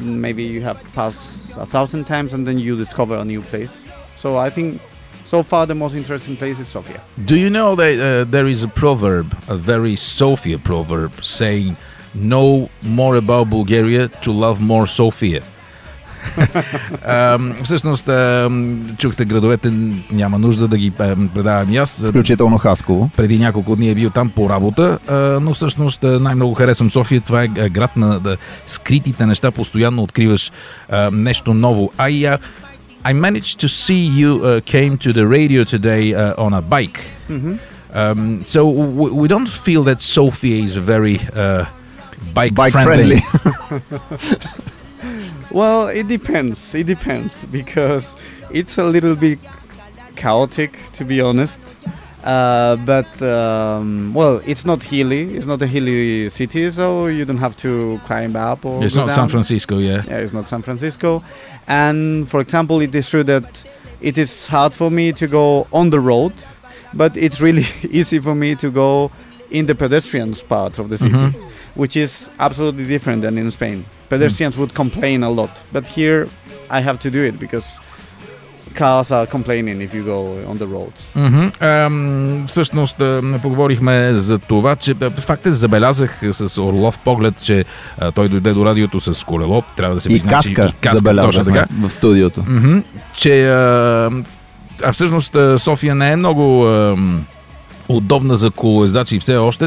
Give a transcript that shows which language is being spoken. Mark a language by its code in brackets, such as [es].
[en] Maybe you have passed 1,000 times, and then you discover a new place. So I think so far the most interesting place is Sofia. Do you know that there is a proverb, a very Sofia proverb, saying know more about Bulgaria to love more Sofia? [bg] Всъщност чухте градовете, няма нужда да ги предавам и аз. Включително Хасково. Преди няколко дни е бил там по работа, но всъщност най-много харесвам София. Това е град на скритите неща, постоянно откриваш нещо ново. [en] I managed to see you came to the radio today on a bike. Mm-hmm. So we don't feel that Sofia is very bike friendly. Well, it depends. It depends because it's a little bit chaotic, to be honest. But it's not hilly. It's not a hilly city, so you don't have to climb up or. It's not down. San Francisco, yeah. Yeah, it's not San Francisco. And for example, it is true that it is hard for me to go on the road, but it's really easy for me to go in the pedestrians part of the city, mm-hmm. which is absolutely different than in Spain. Pedestrians would complain a lot, but here I have to do it because cars are complaining if you go on the roads. Mm-hmm. [bg] Всъщност поговорихме за това, че факт е, забелязах с орлов поглед, че той дойде до радиото с колело, трябва да се пикне, че и каска, забелязахме така, в студиото. Mm-hmm. Че, всъщност София не е много удобна за колоездачи все още.